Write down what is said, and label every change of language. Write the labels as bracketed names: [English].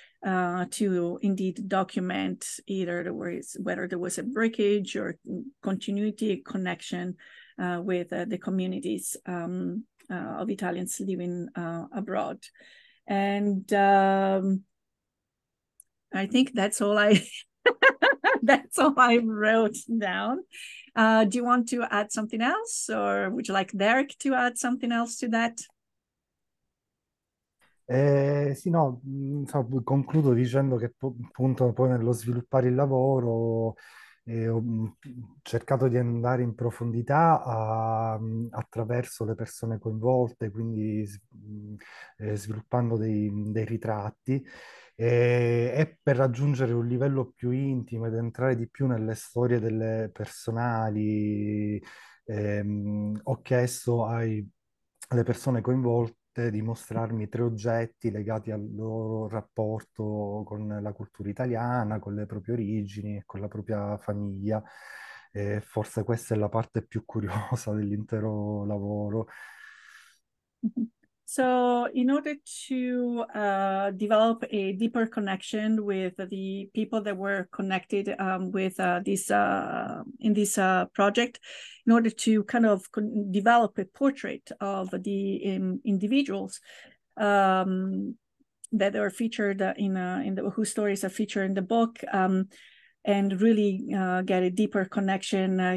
[English] To indeed document either whether there was a breakage or continuity connection with the communities of Italians living abroad. And I think that's all I wrote down. Do you want to add something else, or would you like Derek to add something else to that? [Italian] Sì, no, insomma, concludo dicendo che appunto poi nello sviluppare il lavoro ho cercato di andare in profondità attraverso le persone coinvolte, quindi sviluppando dei ritratti e per raggiungere un livello più intimo ed entrare di più nelle storie delle personali ho chiesto alle persone coinvolte di mostrarmi tre oggetti legati al loro rapporto con la cultura italiana, con le proprie origini e con la propria famiglia. E forse questa è la parte più curiosa dell'intero lavoro. [English] So in order to develop a deeper connection with the people that were connected with this in this project, in order to kind of develop a portrait of the individuals that are featured in the whose stories are featured in the book, and really get a deeper connection.